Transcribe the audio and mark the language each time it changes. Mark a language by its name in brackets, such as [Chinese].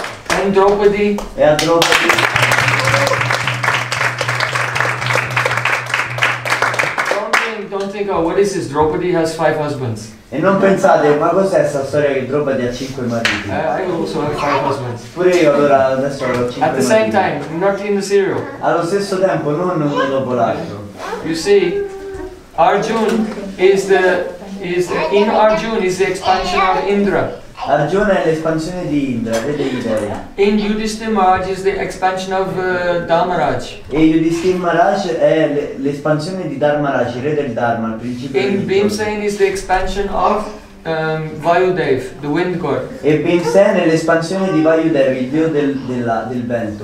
[English] And Draupadi. Yeah, Draupadi. Don't think, oh, what is this? Draupadi has five husbands. [Italian] E non pensate, ma cos'è questa storia che Draupadi ha 5 mariti? [English] I also have 5 husbands. [Italian] Pure io allora adesso ho 5 mariti. [English] At the same time, not in the serial. [Italian] Allo stesso tempo, non uno dopo l'altro. [English] You see, Arjuna is the expansion of Indra. [Italian] Arjuna è l'espansione di Indra, vede l'idea. [English] In Yudhishthira Maharaj is the expansion of Dharmaraj. [Italian] E Yudhishthira Maharaj è l'espansione di Dharmaraj, il re del Dharma, il principio. [English] In Bhimsen is the expansion of Vayudev, the wind god. [Italian] E Bhimsen è l'espansione di Vayudev, il dio del vento.